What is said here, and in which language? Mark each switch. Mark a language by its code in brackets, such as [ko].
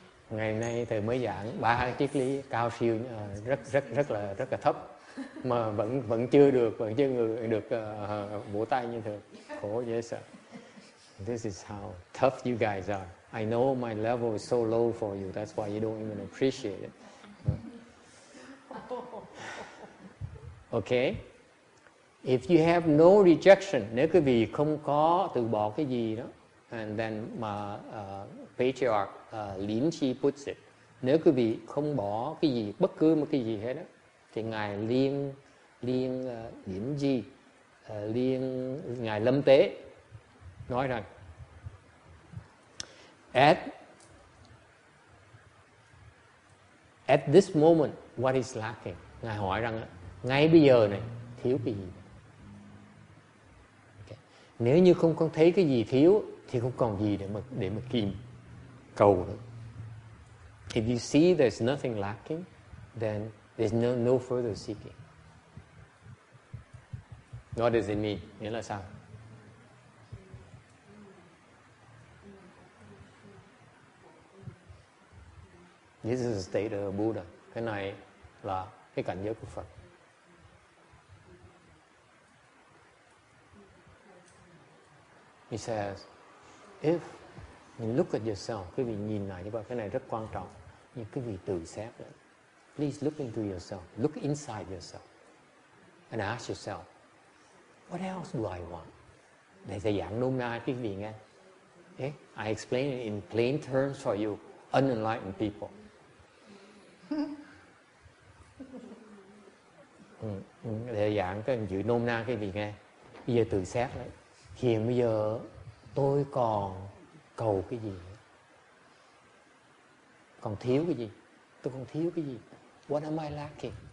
[vi] Ngày nay thầy mới giảng ba triết lý cao siêu rất là thấp mà vẫn chưa được vỗ tay như thường. Khổ dễ sợ. [en] This is how tough you guys are. I know my level is so low for you. That's why you don't even appreciate it. Okay. If you have no rejection, [vi] nếu quý vị không có từ bỏ cái gì đó, [en] and then [vi] mà [en] patriarch Lin Chi puts it, [vi] nếu quý vị không bỏ cái gì, bất cứ một cái gì hết đó, thì ngài ngài Lâm Tế nói rằng, [en] at this moment, what is lacking? [vi] Ngài hỏi rằng ngay bây giờ này thiếu cái gì? Okay. Nếu như không có thấy cái gì thiếu thì không còn gì để mà kìm cầu nữa. [en] If you see there's nothing lacking, then there's no further seeking. What does it mean? [vi] Nghĩa là sao? [en] This is the state of the Buddha. [vi] Cái này là cái cảnh giới của Phật. [en] He says, if you look at yourself, [vi] quý vị nhìn lại như vậy, cái này rất quan trọng. Nhưng quý vị tự xét lại. [en] Please look into yourself. Look inside yourself. And ask yourself, what else do I want? [vi] Đây là giảng nôm na quý vị nghe. [en] Okay? I explain it in plain terms for you, unenlightened people. [vi] Để giảng cái giữ nôm na cái gì nghe. Bây giờ tự xét lại. Hiện bây giờ tôi còn cầu cái gì nữa? còn thiếu cái gì? Tôi còn thiếu cái gì? [en] What am I lacking?